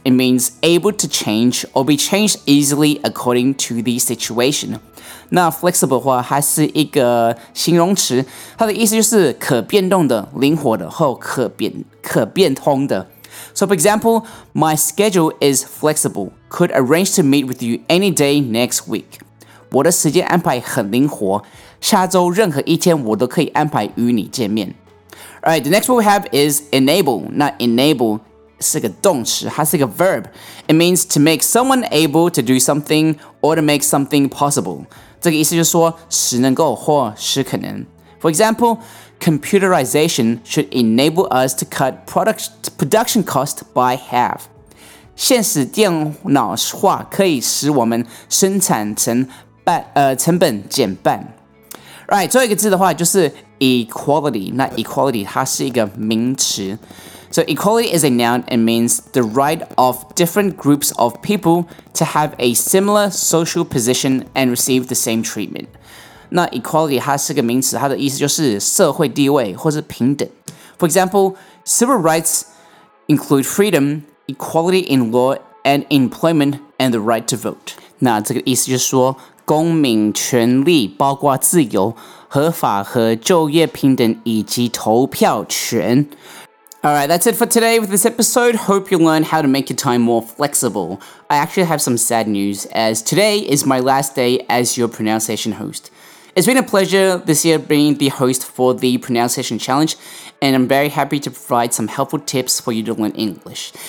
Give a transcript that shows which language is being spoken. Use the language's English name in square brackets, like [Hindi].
[English] It means able to change or be changed easily according to the situation. [Chinese] 那 flexible 的话它是一个形容词，它的意思就是可变动的、灵活的或可变通的。 [English] So for example, my schedule is flexible. Could arrange to meet with you any day next week. [Chinese] 我的时间安排很灵活，下周任何一天我都可以安排与你见面。 [English] Alright, the next word we have is enable. [Chinese] 那 [English] enable [Chinese] 是个动词，它是个 [English] verb. It means to make someone able to do something or to make something possible. [Chinese] 这个意思就是说使能够或使可能。 [English] For example, computerization should enable us to cut production cost by half. [Chinese] 现实电脑化可以使我们生产成本减半。 Alright, 最后一个字的话就是equality. 那 equality 它是一个名词。 [English] So equality is a noun and means the right of different groups of people to have a similar social position and receive the same treatment. [Chinese] 那 equality 它是个名词，它的意思就是社会地位或是平等。 [English] For example, civil rights include freedom, equality in law and employment and the right to vote. [Chinese] 那这个意思就是说公民权利包括自由、合法和就业平等以及投票权。 [English] Alright, that's it for today with this episode. Hope you learn how to make your time more flexible. I actually have some sad news, as today is my last day as your pronunciation host. It's been a pleasure this year being the host for the Pronunciation Challenge, and I'm very happy to provide some helpful tips for you to learn English.